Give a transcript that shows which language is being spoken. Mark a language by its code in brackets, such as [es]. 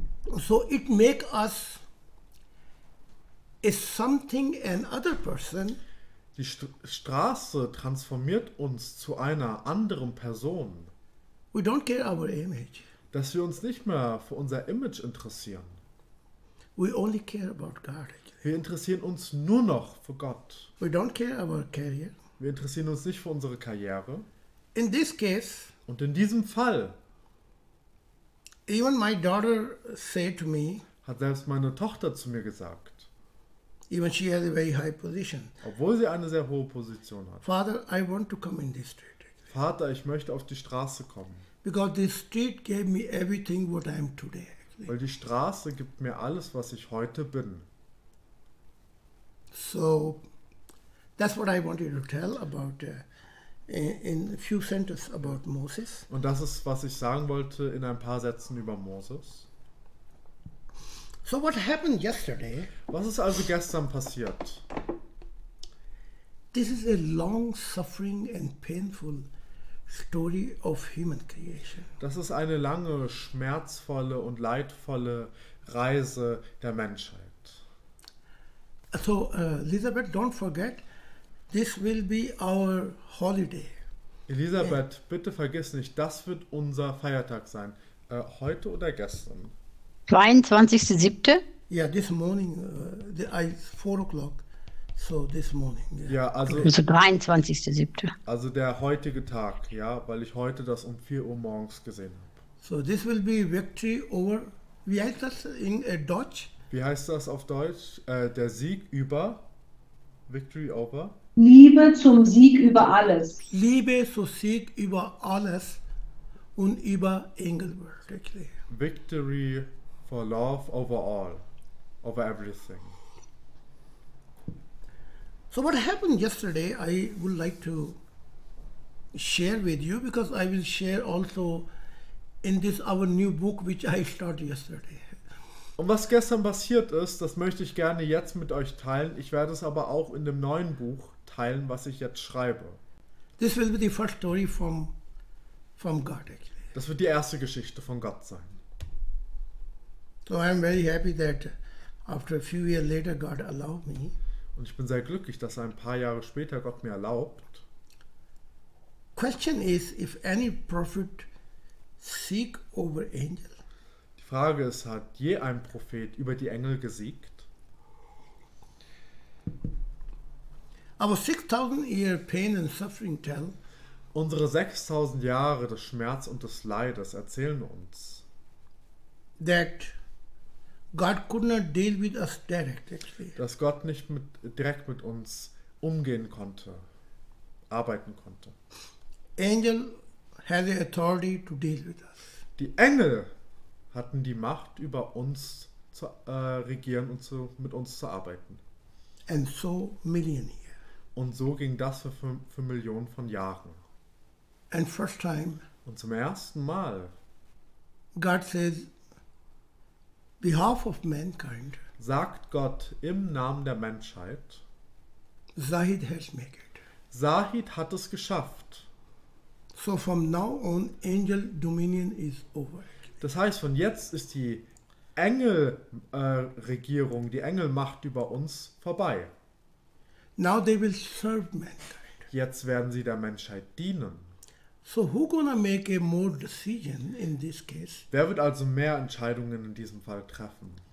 [en] So it make us is something and other person. [de] Die Straße transformiert uns zu einer anderen Person. [en] We don't care our image. [de] Dass wir uns nicht mehr für unser Image interessieren. [en] We only care about God. [de] Wir interessieren uns nur noch für Gott. [en] We don't care about career. [de] Wir interessieren uns nicht für unsere Karriere. [en] In this case, [de] und in diesem Fall, [en] even my daughter said to me, [de] hat selbst meine Tochter zu mir gesagt, [en] even she has a very high position, [de] obwohl sie eine sehr hohe Position hat, [en] Father, I want to come in this street. [de] Vater, ich möchte auf die Straße kommen. [en] Because this street gave me everything what I am today. [de] Weil die Straße gibt mir alles, was ich heute bin. [en] So, that's what I wanted to tell about in a few sentences about Moses. [de] Und das ist, was ich sagen wollte in ein paar Sätzen über Moses. [en] So what happened yesterday? [de] Was ist also gestern passiert? [en] This is a long suffering and painful story of human creation. [de] Das ist eine lange, schmerzvolle und leidvolle Reise der Menschheit. [en] So, Elizabeth, don't forget, this will be our holiday. [de] Elisabeth, bitte vergiss nicht, das wird unser Feiertag sein. Heute oder gestern? 22.07. [en] Yeah, this morning. It's 4 o'clock. So this morning. Yeah. [de] Ja, also. Also 23.07. Also der heutige Tag, ja, weil ich heute das um 4 Uhr morgens gesehen habe. [en] So this will be victory over. [de] Wie heißt das in Deutsch? Wie heißt das auf Deutsch? Der Sieg über. [en] Victory over. [de] Liebe zum Sieg über alles. Liebe zum Sieg über alles und über Engelbert. [en] Okay. Victory for love over all, over everything. So what happened yesterday, I would like to share with you, because I will share also in this our new book, which I started yesterday. [de] Und was gestern passiert ist, das möchte ich gerne jetzt mit euch teilen. Ich werde es aber auch in dem neuen Buch teilen, was ich jetzt schreibe. [en] This will be the first story from from God actually. [de] Das wird die erste Geschichte von Gott sein. [en] So I'm very happy that after a few years later God allowed me. [de] Und ich bin sehr glücklich, dass ein paar Jahre später Gott mir erlaubt. [en] Question is if any prophet seek over angel. [de] Die Frage ist, hat je ein Prophet über die Engel gesiegt? [en] Our 6000 year pain and suffering tell. [de] Unsere 6000 Jahre des Schmerz und des Leides erzählen uns, [en] that God could not deal with us direct, actually. [de] Dass Gott nicht direkt mit uns umgehen konnte, arbeiten konnte. [en] Angel had the authority to deal with us. [de] Die Engel hatten die Macht, über uns zu regieren und mit uns zu arbeiten. [en] And so million years. [de] Und so ging das für Millionen von Jahren. [en] And first time, [de] und zum ersten Mal, [en] God says, behalf of mankind, [de] sagt Gott im Namen der Menschheit, [en] Zahid has made it. [de] Zahid hat es geschafft. [en] So from now on, angel dominion is over. [de] Das heißt, von jetzt ist die Engelregierung, die Engelmacht über uns vorbei. [en] Now they will serve mankind. [de] Jetzt werden sie der Menschheit dienen. [en] So who gonna make a more decision in this case? [de] Wer wird also mehr Entscheidungen in diesem Fall treffen?